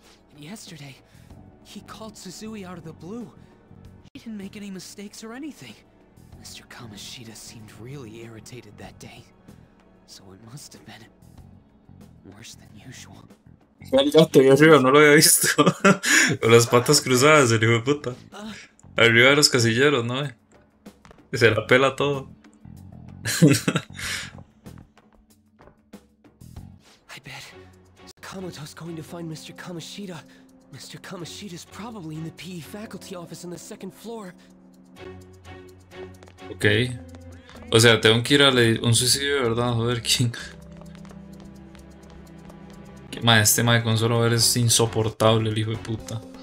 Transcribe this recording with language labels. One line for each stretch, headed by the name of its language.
English: And yesterday, he called Suzui out of the blue. He didn't make any mistakes or anything. Mr. Kamoshida seemed really irritated that day. So it must have been worse than usual.
Spanish: No lo había visto. Con las patas cruzadas, el hijo de puta. Arriba de los casilleros, ¿no? Se la pela todo.
English: I bet Kamoto's going to find Mr. Kamoshida. Mr. Kamoshida's probably in the PE faculty office on the second floor. Okay.
Spanish: O sea, tengo que ir a leer un suicidio, ¿verdad? Joder, King. Qué mae, este mae con solo ver es insoportable, el hijo de puta.